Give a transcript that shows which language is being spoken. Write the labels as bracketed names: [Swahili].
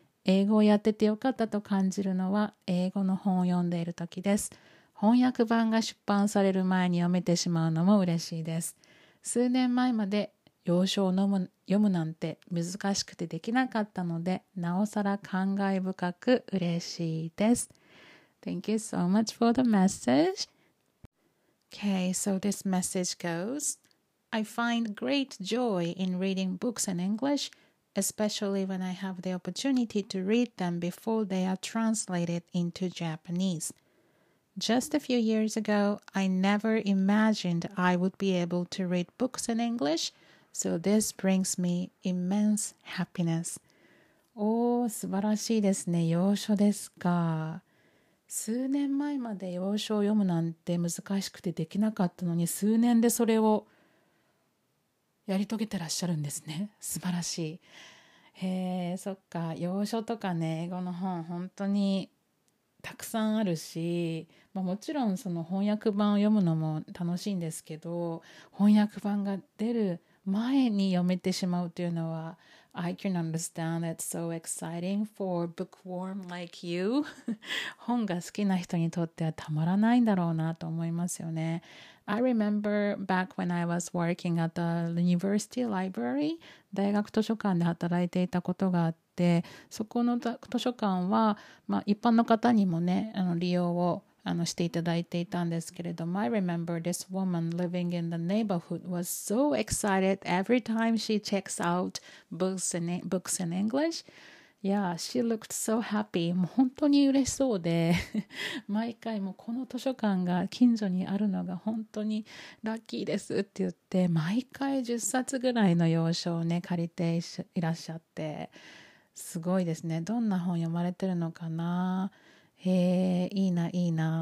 [Japanese] 英語をやっててよかったと感じるのは英語の本を読んでいる時です。翻訳版が出版される前に読めてしまうのも嬉しいです。数年前まで洋書を読むなんて難しくてできなかったのでなおさら感慨深く嬉しいです。 [English] Thank you so much for the message. Okay, so this message goes, I find great joy in reading books in English, especially when I have the opportunity to read them before they are translated into Japanese. Just a few years ago, I never imagined I would be able to read books in English. So this brings me immense happiness. [Japanese] おー、素晴らしいですね。洋書ですか。数年前まで洋書を読むなんて難しくてできなかったのに、数年でそれをやり遂げてらっしゃるんですね。素晴らしい。へー、そっか。洋書とかね、英語の本、本当にたくさんあるし、まあ、もちろんその翻訳版を読むのも楽しいんですけど、翻訳版が出る前に読めてしまうというのは [English] I can understand it's so exciting for bookworm like you. [Japanese] 本が好きな人にとってはたまらないんだろうなと思いますよね。 [English] I remember back when I was working at the university library. [Japanese] 大学図書館で働いていたことがあって、そこの図書館は、まあ、一般の方にもね、あの利用をしていただいていたんですけれども [English] I remember this woman living in the neighborhood was so excited every time she checks out books in English. Yeah, she looked so happy. [Japanese] もう本当に嬉しそうで毎回もこの図書館が近所にあるのが本当にラッキーですって言って毎回10冊ぐらいの洋書をね借りていらっしゃって、すごいですね。どんな本読まれてるのかな。へえ、いいな、いいな。